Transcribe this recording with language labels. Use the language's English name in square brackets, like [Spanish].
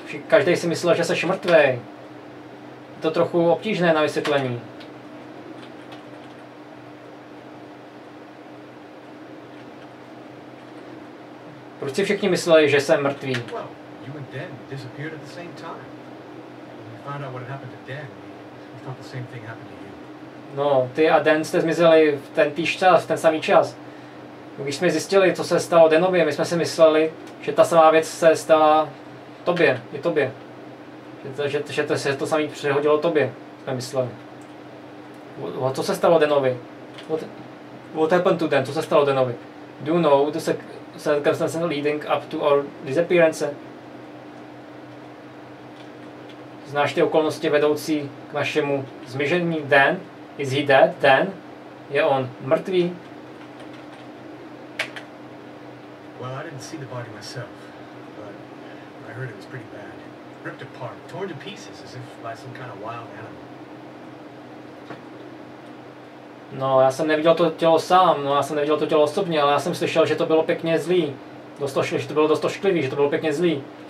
[Czech] Každý si myslel, že jsi mrtvý. Je to trochu obtížné na vysvětlení. Proč si všichni mysleli, že jsem mrtvý? [English] Well, you and Dan disappeared at the same time. When we found out what had happened to Dan, we thought the same thing happened to you. [Czech] No, ty a Dan jste zmizeli v ten týž čas, v ten samý čas. Když jsme zjistili, co se stalo Danovi, my jsme si mysleli, že ta samá věc se stala tobě, i tobě. Že to se to samý přehodilo tobě, jsme mysleli. Co se stalo Danovi? [English] What happened to Dan? [Czech] Co se stalo Danovi? [English] Do you know the circumstances leading up to our disappearance? [Czech] Znáš ty okolnosti vedoucí k našemu zmizení, Dan? [English] Is he dead? Then? [Czech] Je on mrtvý? [English] Well, I didn't see the body myself, but I heard it was pretty bad. Ripped apart, torn to pieces, as if by some kind of wild animal. [Czech] No, já jsem neviděl to tělo sám, no, já jsem neviděl to tělo osobně, ale já jsem slyšel, že to bylo pěkně zlý. Že to bylo dost ošklivý, že to bylo pěkně zlý.